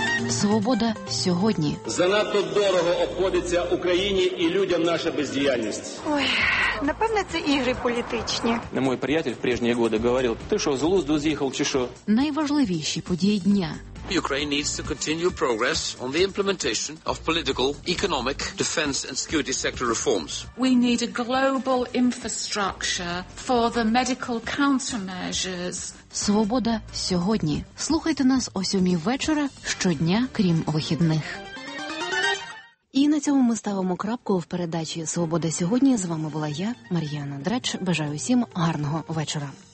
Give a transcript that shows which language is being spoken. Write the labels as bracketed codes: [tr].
[uk] Свобода сьогодні. Занадто дорого обходиться Україні і людям наша бездіяльність. Ой, напевно, це ігри політичні. Мій приятель в прежні роки говорив, ти що, з глузду з'їхав чи що? Найважливіші події дня. [en] Ukraine needs to continue progress on the implementation of political, economic, defense and security sector reforms. We need a global infrastructure for the medical countermeasures. [uk] Свобода сьогодні. Слухайте нас о 7 вечора щодня, крім вихідних. І на цьому ми ставимо крапку в передачі «Свобода сьогодні». З вами була я, Мар'яна Дреч. Бажаю всім гарного вечора.